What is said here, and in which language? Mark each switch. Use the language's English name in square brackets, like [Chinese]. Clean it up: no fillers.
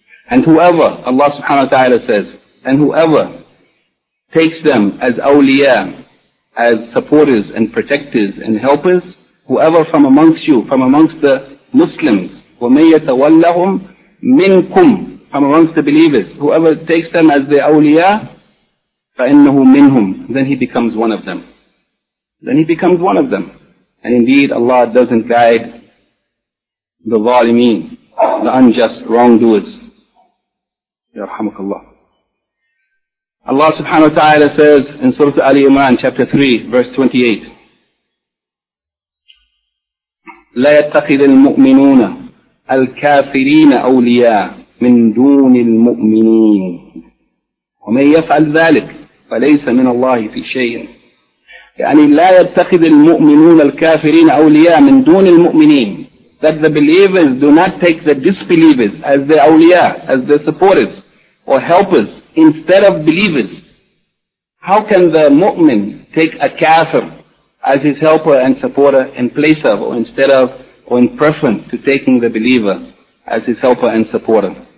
[English] And whoever, Allah subhanahu wa ta'ala says, and whoever takes them as awliya, as supporters and protectors and helpers, whoever from amongst you, from amongst the Muslims, [Arabic] وَمَنْ يَتَوَلَّهُمْ مِنْكُمْ, [English] from amongst the believers, whoever takes them as the awliya, [Arabic] فَإِنَّهُ مِنْهُمْ, [English] then he becomes one of them. Then he becomes one of them. And indeed, Allah doesn't guide the ظالمين, the unjust wrongdoers. [Arabic] يَرْحَمُكَ اللَّهُ. [English] Allah subhanahu wa ta'ala says in Surah Ali Imran, chapter 3, verse 28, [Arabic] لا يتخذ المؤمنون الكافرين أولياء من دون المؤمنين ومن يفعل ذلك فليس من الله في شيء. يعني لا يتخذ المؤمنون الكافرين أولياء من دون المؤمنين. [English] That the believers do not take the disbelievers as their أولياء, as their supporters or helpers, instead of believers. How can the mu'min take a kafir as his helper and supporter in place of, or instead of, or in preference to taking the believer as his helper and supporter?